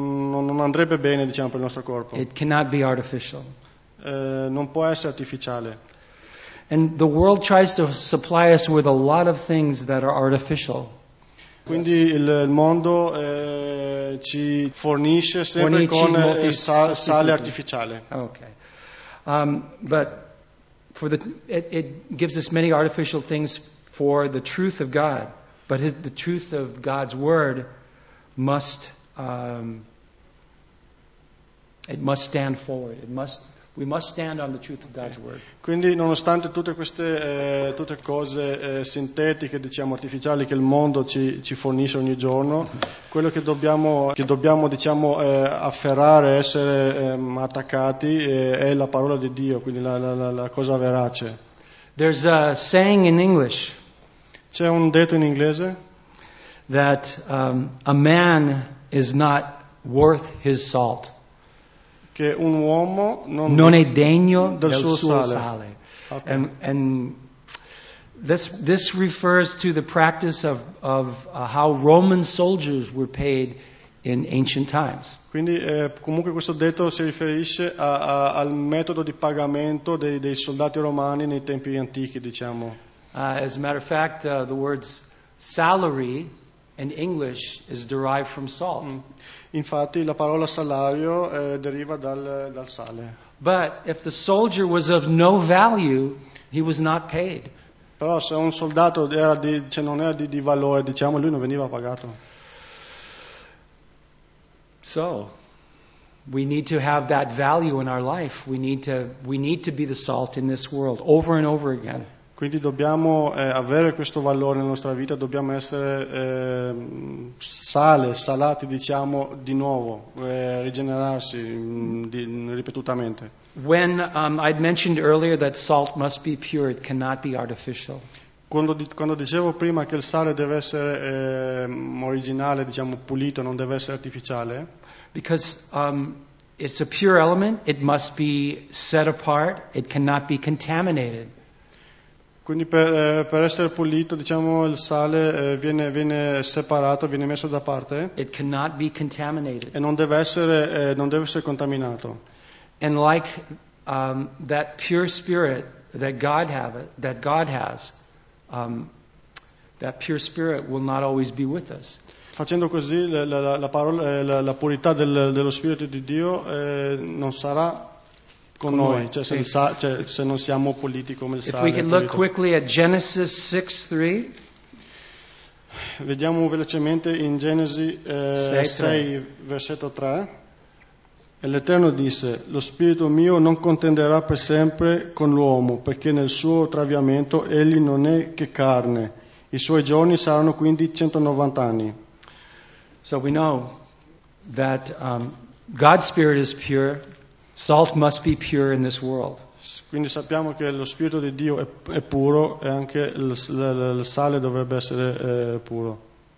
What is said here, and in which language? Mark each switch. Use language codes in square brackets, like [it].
[it] Non andrebbe bene, diciamo, per il nostro corpo. [en] It cannot be artificial. [it] Non può essere artificiale. [en] And the world tries to supply us with a lot of things that are artificial. [it] Quindi il mondo ci fornisce sempre con sale artificiale. [en] Okay. But for it gives us many artificial things for the truth of God, but the truth of God's word must stand forward. We must stand on the truth of God's word. [it] Quindi nonostante tutte queste tutte cose sintetiche, diciamo artificiali, che il mondo ci fornisce ogni giorno, quello che dobbiamo diciamo afferrare, essere attaccati, è la parola di Dio, quindi la cosa verace. [en] There's a saying in English. [it] C'è un detto in inglese. [en] That a man is not worth his salt. [it] che un uomo non è degno del suo sale. [en] Okay. And this refers to the practice of how Roman soldiers were paid in ancient times. [it] Quindi comunque questo detto si riferisce al metodo di pagamento dei soldati romani nei tempi antichi, diciamo. [en] As a matter of fact, the words salary in English is derived from salt. [it] Infatti la parola salario deriva dal sale. [en] But if the soldier was of no value, he was not paid. [it] Però se un soldato non era di valore, diciamo, lui non veniva pagato. [en] So, we need to have that value in our life. We need to be the salt in this world over and over again. [it] Quindi dobbiamo avere questo valore nella nostra vita, dobbiamo essere salati, diciamo, di nuovo, rigenerarsi ripetutamente. [en] When I'd mentioned earlier that salt must be pure, it cannot be artificial. [it] Quando dicevo prima che il sale deve essere originale, diciamo pulito, non deve essere artificiale. [en] Because it's a pure element, it must be set apart, it cannot be contaminated. [it] Quindi per essere pulito, diciamo, il sale viene separato, viene messo da parte. [en] It cannot be contaminated. [it] E non deve essere contaminato. [en] And like that pure spirit that God has, that pure spirit will not always be with us. [it] Facendo così, la purità dello Spirito di Dio non sarà con noi, cioè se, il sa, cioè se non siamo puliti come il sale. [en] If we can look quickly at Genesis 6:3. [it] Vediamo velocemente in Genesi 6, versetto 3. E l'Eterno disse: lo Spirito mio non contenderà per sempre con l'uomo, perché nel suo traviamento egli non è che carne. I suoi giorni saranno quindi 190 anni. [en] So we know that God's Spirit is pure. Salt must be pure in this world. [it] Quindi sappiamo che lo Spirito di Dio è puro e anche il sale dovrebbe essere puro.